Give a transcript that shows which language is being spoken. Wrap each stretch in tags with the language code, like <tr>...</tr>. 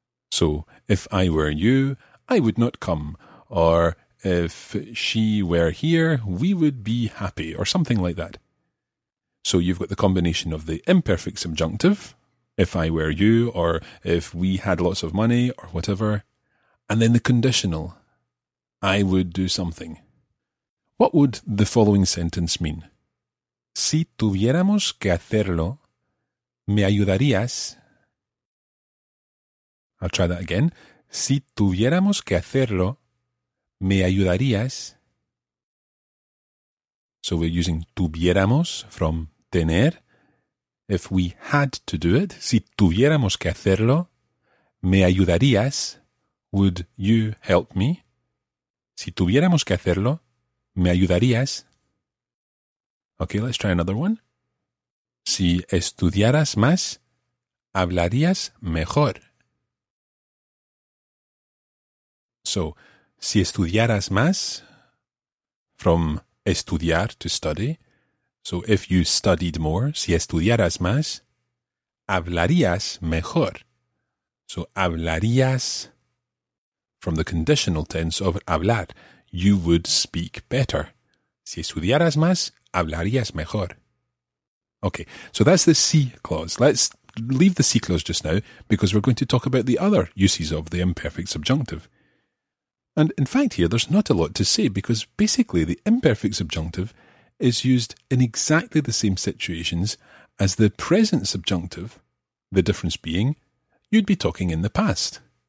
<en>So, if I were you, I would not come. Or, if she were here, we would be happy. Or something like that. So, you've got the combination of the imperfect subjunctive, if I were you, or if we had lots of money, or whatever. And then the conditional, I would do something. What would the following sentence mean?</en> <es>Si tuviéramos que hacerlo, me ayudarías.</es> <en>I'll try that again.</en> <es>Si tuviéramos que hacerlo, me ayudarías.</es> <en>So we're using tuviéramos from tener. If we had to do it,</en> <es>si tuviéramos que hacerlo, me ayudarías.</es> <en>Would you help me?</en> <es>Si tuviéramos que hacerlo, me ayudarías.</es> <en>Okay, let's try another one.</en> <es>Si estudiaras más, hablarías mejor.</es> <en>So,</en> <es>si estudiaras más,</es> <en>from estudiar, to study. So, if you studied more,</en> <es>si estudiaras más, hablarías mejor.</es> <en>So, hablarías, from the conditional tense of hablar, you would speak better.</en> <es>Si estudiaras más, hablarías mejor.</es> <en>Okay, so that's the si clause. Let's leave the si clause just now, because we're going to talk about the other uses of the imperfect subjunctive. And in fact here, there's not a lot to say, because basically the imperfect subjunctive is used in exactly the same situations as the present subjunctive, the difference being, you'd be talking in the past.</en>